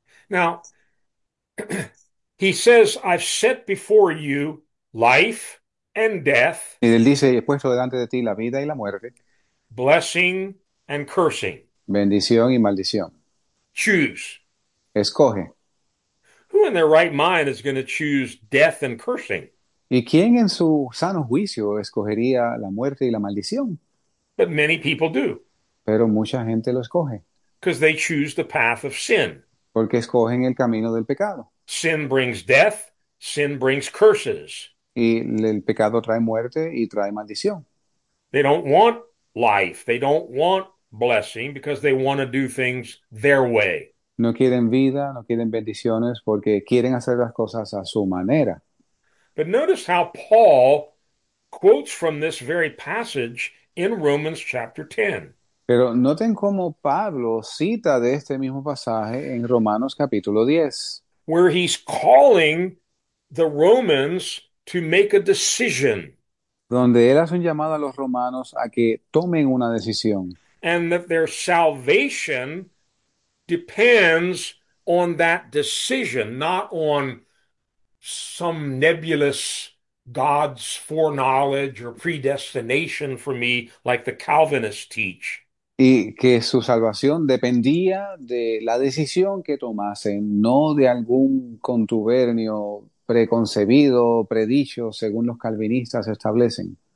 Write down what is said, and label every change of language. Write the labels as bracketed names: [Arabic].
[English] Now, he says, I've set before you life and death, [Spanish] Y él dice, he puesto delante de ti la vida y la muerte, [English] blessing and cursing. [Spanish] bendición y maldición. [English] Choose. [Spanish] Escoge. [English] Who in their right mind is going to choose death and cursing? [Spanish] ¿Y quién en su sano juicio escogería la muerte y la maldición? [English] But many people do, [Spanish] Pero mucha gente lo escoge. [English] because they choose the path of sin. [Spanish] Porque escogen el camino del pecado. [English] Sin brings death, sin brings curses. [Spanish] Y el pecado trae muerte y trae maldición. [English] They don't want life. They don't want blessing because they want to do things their way. [Spanish] No quieren vida, no quieren bendiciones porque quieren hacer las cosas a su manera. [English] But notice how Paul quotes from this very passage in Romans chapter 10. [Spanish] Pero noten cómo Pablo cita de este mismo pasaje en Romanos capítulo 10. [English] Where he's calling the Romans to make a decision. [Spanish] donde él hace un llamado a los romanos a que tomen una decisión. [English] And that their salvation depends on that decision, not on some nebulous God's foreknowledge or predestination for me, like the Calvinists teach. [Spanish] Y que su salvación dependía de la decisión que tomasen, no de algún contubernio preconcebido, predicho, según los calvinistas establecen.